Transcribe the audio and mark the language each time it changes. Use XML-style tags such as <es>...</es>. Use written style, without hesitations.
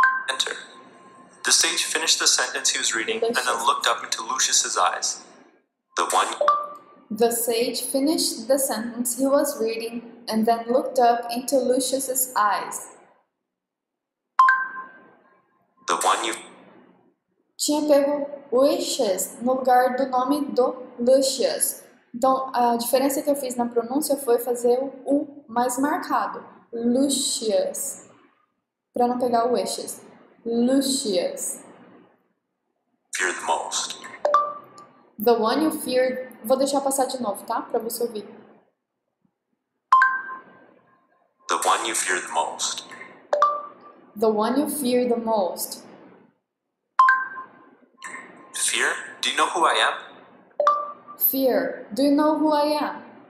<en>Enter. The sage finished the sentence he was reading and then looked up into Lucius's eyes. The one. The sage finished the sentence he was reading and then looked up into Lucius's eyes. The one you...</en> <pt>Tinha pego wishes no lugar do nome do Lucius. Então, a diferença que eu fiz na pronúncia foi fazer o mais marcado. Lucius. Para não pegar o wishes. Lucius.</pt> <en>Fear the most. The one you feared...</en> <pt>Vou deixar passar de novo, tá? Para você ouvir.</pt> <en>The one you feared the most. The one you fear the most. Fear? Do you know who I am? Fear. Do you know who I am?</en>